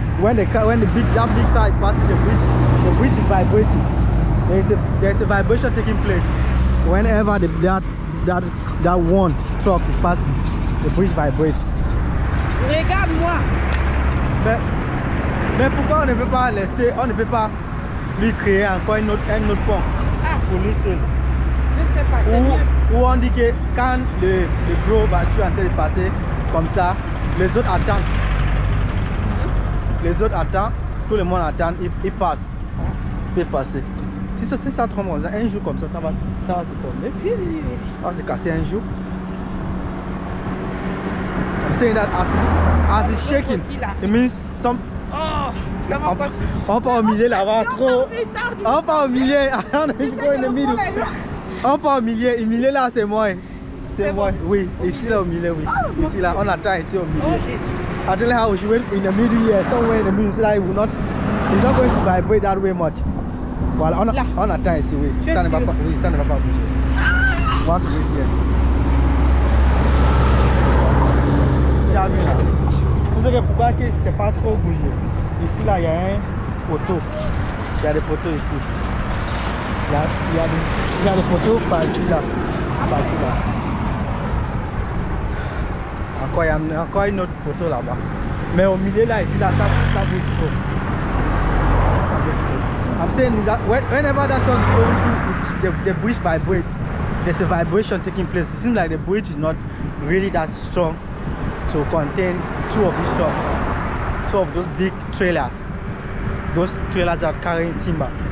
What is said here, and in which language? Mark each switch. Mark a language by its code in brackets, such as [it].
[en] When the big car is passing the bridge is vibrating. There's a vibration taking place. Whenever that one truck is passing, the bridge vibrates. [fr] Regarde-moi. Mais pourquoi on ne peut pas laisser, on ne peut pas lui créer encore un autre pont pour lui seul. Je ne sais pas. Ou on dit que quand le gros bateau est en train de passer comme ça, les autres attendent. Les autres attendent, tout le monde attend, il passe. Il peut passer. Si ça tombe comme ça, un jour comme ça, ça va se tomber. Ça va se casser un jour. [en] Saying that as it's shaking, it means [fr] on part au milieu là-bas, trop. On part au milieu, on est trop en milieu. On part au milieu, et milieu là, c'est moi. Oui, okay. Ici là au milieu, oui. Oh, ici là, on attend ici au milieu. Oh, [en] I tell you how we should wait in the middle here, somewhere in the middle, so that it's not going to vibrate that way much. [fr] Well, on attend ici, oui. Ça ne va pas bouger. [en] What to wait here. [fr] Tu sais que pourquoi que c'est pas trop bougé. Ici là il y a un poteau. Il y a des poteaux ici. Il y a des poteaux par ici là. Partout là. Encore, il y a encore un autre poteau là-bas. Mais au milieu là, ici là, ça bouge trop. [en] I'm saying is that whenever that one goes through, the bridge vibrates. There's a vibration taking place. It seems like the bridge is not really that strong to contain two of these trucks, two of those big trailers, that are carrying timber.